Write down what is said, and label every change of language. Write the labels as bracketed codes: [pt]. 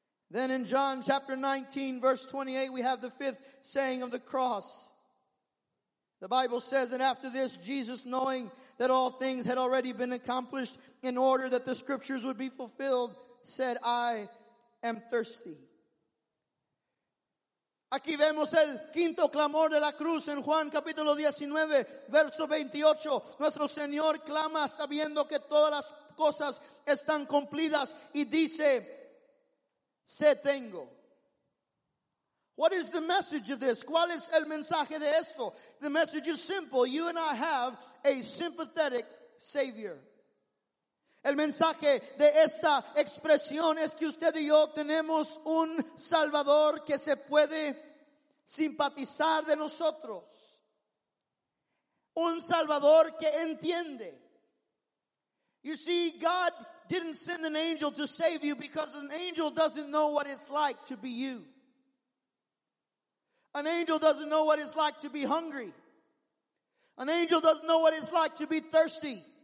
[en] Then in John chapter 19, verse 28, we have the fifth saying of the cross. The Bible says that after this, Jesus, knowing that all things had already been accomplished in order that the scriptures would be fulfilled, said, I am thirsty. [es] Aquí vemos el quinto clamor de la cruz en Juan capítulo 19, verso 28. Nuestro Señor clama sabiendo que todas las cosas están cumplidas y dice, se tengo. [en] What is the message of this? [es] ¿Cuál es el mensaje de esto? [en] The message is simple. You and I have a sympathetic Savior. [es] El mensaje de esta expresión es que usted y yo tenemos un Salvador que se puede simpatizar de nosotros. Un Salvador que entiende. [en] You see, God didn't send an angel to save you because an angel doesn't know what it's like to be you. An angel doesn't know what it's like to be hungry. An angel doesn't know what it's like to be thirsty.